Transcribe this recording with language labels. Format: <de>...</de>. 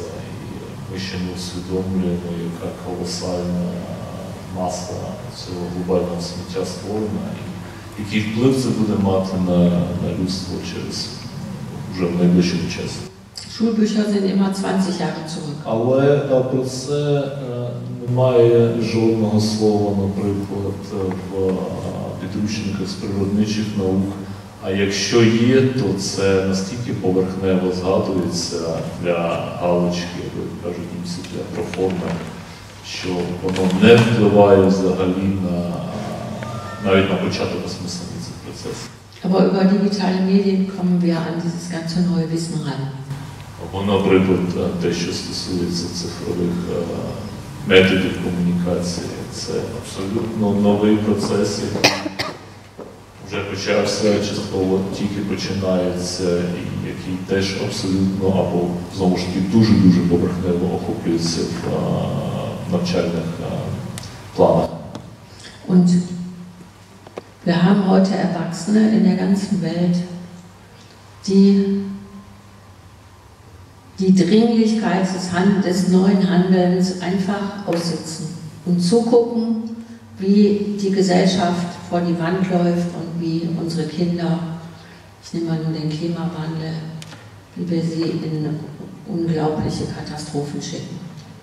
<uk>І ми ще не усвідомлюємо, яка колосальна маса цього глобального сміття створена. який вплив це буде мати на людство через вже в найближчому часі.</uk> <de>Schulbücher sind immer 20 Jahre zurück.</de> <uk>Але про це немає жодного слова, наприклад, в підручниках з природничих наук. А якщо є, то це настільки поверхнево згадується для галочки, як кажуть німці, для проформи, що воно не впливає взагалі навіть на початок осмислення цих процесів. Або</uk> <de>über digitale Medien kommen wir an dieses ganze neue Wissen ran.</de> <uk>Або, наприклад, те, що стосується цифрових методів комунікації, це абсолютно новий процес. Вже почався частково, тільки починається, і який теж абсолютно, або знову ж таки дуже-дуже поверхнево охоплюється в навчальних планах.</uk> <de>Und wir haben heute Erwachsene in der ganzen Welt, die Dringlichkeit des neuen Handelns einfach aussitzen und zugucken, wie die Gesellschaft vor die Wand läuft und wie unsere Kinder, ich nehme mal nur den Klimawandel, wie wir sie in unglaubliche Katastrophen schicken.</de>